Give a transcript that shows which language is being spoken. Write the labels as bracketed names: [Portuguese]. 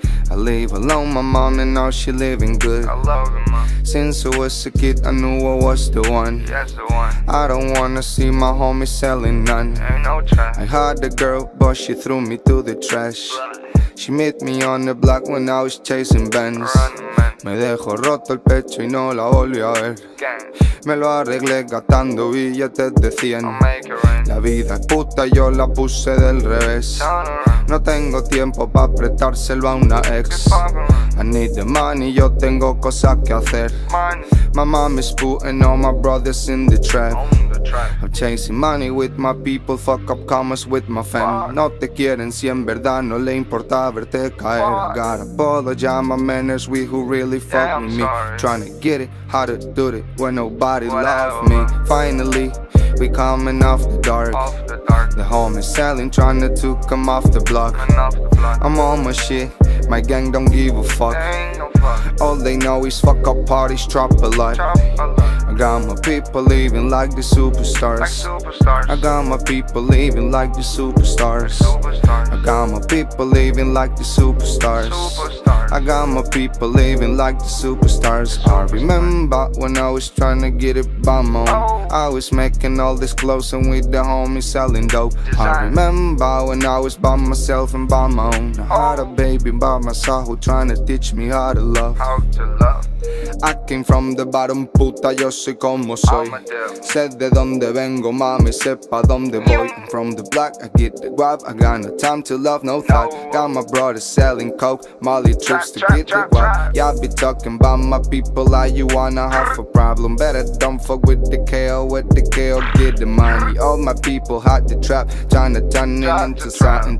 [English] I live alone, my mom, and now she living good. I love it, mom. Since I was a kid, I knew I was the one. Yes, the one. I don't wanna see my homies selling none. Ain't no trash. I had a girl, but she threw me to the trash. She met me on the block when I was chasing Benz. [Spanish] Me dejó roto el pecho y no la volví a ver. Me lo arreglé gastando billetes de 100. La vida es puta, yo la puse del revés. No tengo tiempo pa' prestárselo a una ex. [English] I need the money, [Spanish] yo tengo cosas que hacer. [English] My mom is putting all my brothers in the trap. I'm chasing money with my people, fuck up commas with my fam. [Spanish] No te quieren si en verdad no le importa verte caer. [English] I got a bottle, yeah, my manners, we who really fuck yeah, with I'm me. Sorry. Trying to get it, how to do it when nobody love me. Man. Finally, we coming off the dark. The homie selling, trying to come off the block. I'm on my shit, my gang don't give a fuck. All they know is fuck up parties, trap a lot. I got my people living like the superstars. I got my people living like the superstars. I got my people living like the superstars. I got my people living like the superstars. I remember when I was trying to get it by my own. I was making all this clothes and with the homies selling dope. I remember when I was by myself and by my own. I had a baby by myself who trying to teach me how to love. I came from the bottom, puta, [Spanish] yo soy como soy. Sé de donde vengo, mami, sé pa' donde voy. [English] I'm from the black, I get the guap. I got no time to love, no thought. Got my brother selling coke, Molly trips to get the guap. Yeah, I be talking about my people like you wanna have a problem. Better don't fuck with the KO, with the KO, get the money. All my people hot the trap, tryna turn it into something.